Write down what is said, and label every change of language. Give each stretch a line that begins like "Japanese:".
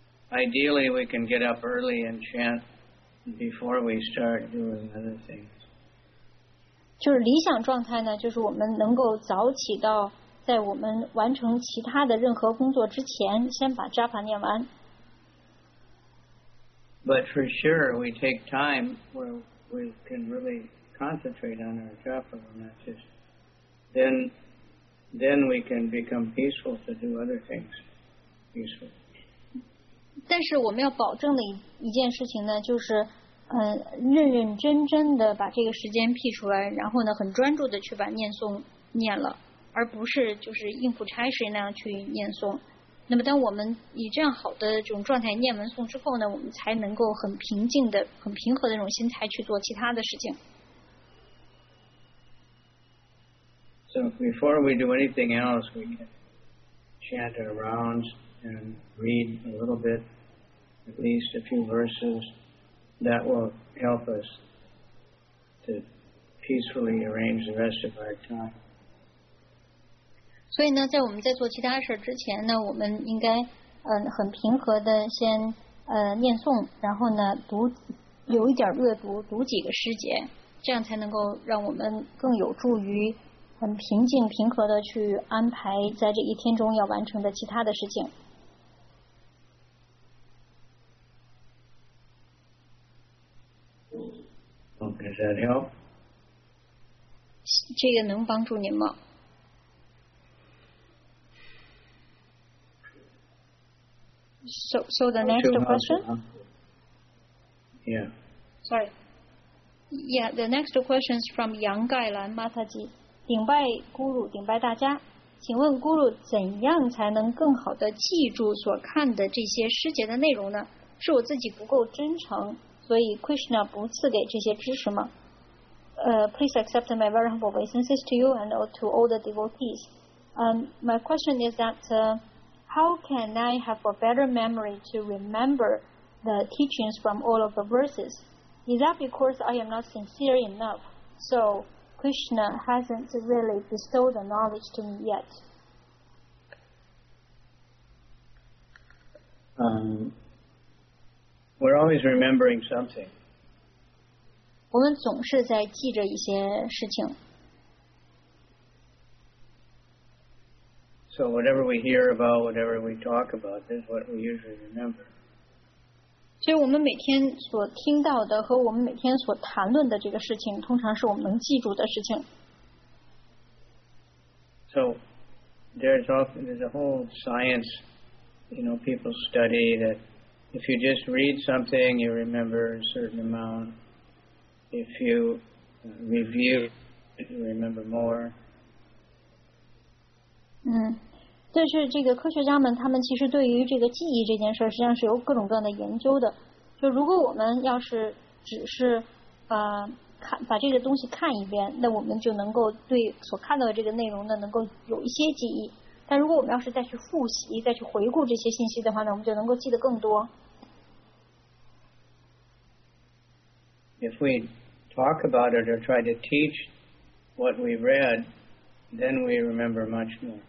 English: Ideally, we can get up early and chant before we start doing other things.
Chinese: 就是理想状态呢，就是我们能够早起到在我们完成其他的任何工作之前，先把japa念完。
English: But for sure, we take time where we can really concentrate on our japa, and that's just then we can become peaceful to do other things peacefully.
Chinese: 但是我们要保证的一件事情呢，就是，认认真真的把这个时间辟出来，然后呢，很专注的去把念诵念了，而不是就是应付差事那样去念诵。那么，当我们以这样好的这种状态念完诵之后呢，我们才能够很平静的、很平和的这种心态去做其他的事情。
English: So before we do anything else, we can chant around. And read a little bit, at least a few verses, that will help us to peacefully arrange the rest of our time.
Chinese: 所以呢，在我们在做其他事之前呢，我们应该很平和的先念诵，然后呢读有一点阅读，读几个诗节，这样才能够让我们更有助于很平静平和的去安排在这一天中要完成的其他的事情。
English: Does that help?
Chinese: 这个能帮助您吗？
English: So the next question? Yeah. Sorry. Yeah, the next question is from Yang Gailan Mataji.
Chinese: 顶拜 Guru, 顶拜大家。请问 Guru, 怎样才能更好的记住所看的这些诗节的内容呢？是我自己不够真诚。所以 Krishna 不赐给这些知识吗？
English: Please accept my very humble obeisances to you and to all the devotees. My question is that how can I have a better memory to remember the teachings from all of the verses? Is that because I am not sincere enough? So Krishna hasn't really bestowed the knowledge to me yet. We're always remembering something.
Chinese: 我们总是在记着一些事情。
English: So whatever we hear about, whatever we talk about, is what we usually remember.
Chinese: 所以我们每天所听到的和我们每天所谈论的这个事情，通常是我们能记住的事情。
English: So there's a whole science, you know, people study that. If you just read something, you remember a certain amount. If you review, you remember more.
Chinese: 但是这个科学家们，他们其实对于这个记忆这件事，实际上是有各种各样的研究的。就如果我们要是只是把这个东西看一遍，那我们就能够对所看到的这个内容呢，能够有一些记忆。但如果我们要是再去复习、再去回顾这些信息的话呢，我们就能够记得更多。
English: If we talk about it or try to teach what we read, then we remember much more.